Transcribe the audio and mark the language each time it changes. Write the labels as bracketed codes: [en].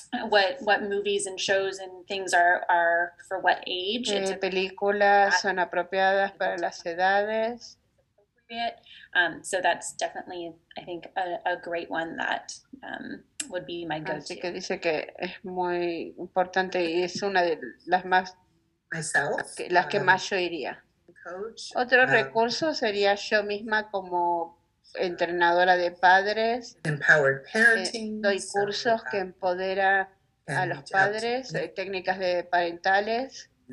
[en] What movies and shows and things are for what age? [es] ¿Qué películas son apropiadas para las edades? [en] So that's definitely, I think, a great one that would be my go-to. [es] Así que dice que es muy importante y es una de las más, las que más yo iría. Otro recurso sería yo misma como entrenadora de padres. Empowered parenting. Doy cursos que empodera a los padres, técnicas de parentales.